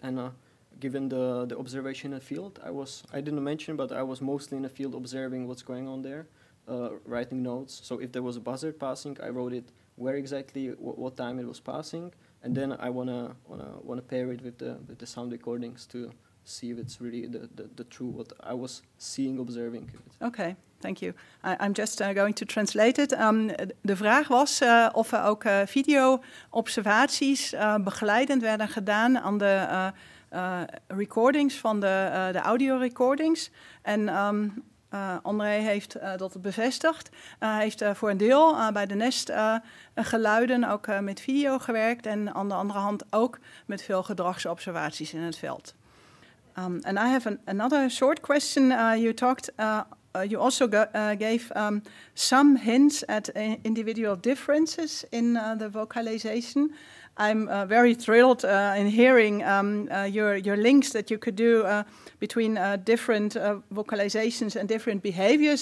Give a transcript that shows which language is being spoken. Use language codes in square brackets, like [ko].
[en] And given the observation in the field, I didn't mention, but I was mostly in the field observing what's going on there, writing notes. So if there was a buzzard passing, I wrote it where exactly, what time it was passing, and then I wanna pair it with the sound recordings to see if it's really the true what I was seeing, observing. Okay, thank you. I'm just going to translate it. [nl] De vraag was of er ook video observaties begeleidend werden gedaan aan de recordings van de audio recordings. En Ondrej heeft dat bevestigd. Hij heeft voor een deel bij de nest geluiden ook met video gewerkt en aan de andere hand ook met veel gedragsobservaties in het veld. [en] And I have another short question. You talked, you also gave some hints at individual differences in the vocalization. I'm very thrilled in hearing your links that you could do between different vocalizations and different behaviors.